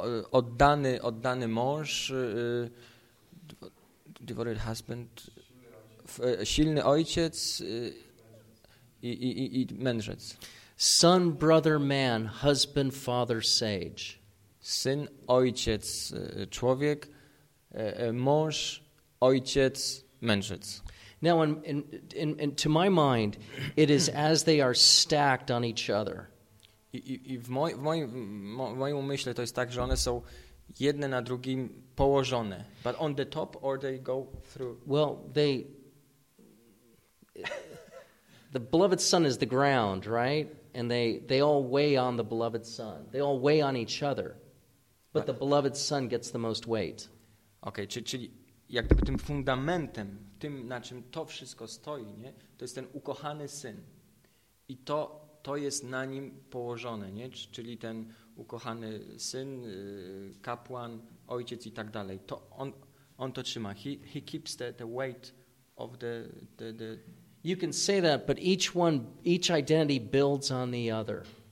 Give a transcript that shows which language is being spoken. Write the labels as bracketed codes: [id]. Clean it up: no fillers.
[pl] Oddany mąż, [en] devoted husband, [pl] silny ojciec i mędrzec. [en] Son, brother, man, husband, father, sage. [pl] Syn, ojciec, człowiek, mąż, ojciec, mędrzec. [en] Now, in to my mind, it is as they are stacked on each other. [pl] I w moim umyśle to jest tak, że one są jedne na drugim położone. [en] But on the top, or they go through? Well, the beloved son is the ground, right? And they all weigh on the beloved son. They all weigh on each other. But the beloved son gets the most weight. [pl] Okay, czyli jak gdyby tym fundamentem, tym, na czym to wszystko stoi, nie? To jest ten ukochany syn. I to jest na nim położone, nie? Czyli ten ukochany syn, kapłan, ojciec i tak dalej. To on to trzyma. [en] He keeps the weight of the. You can say that, but each identity builds on the other.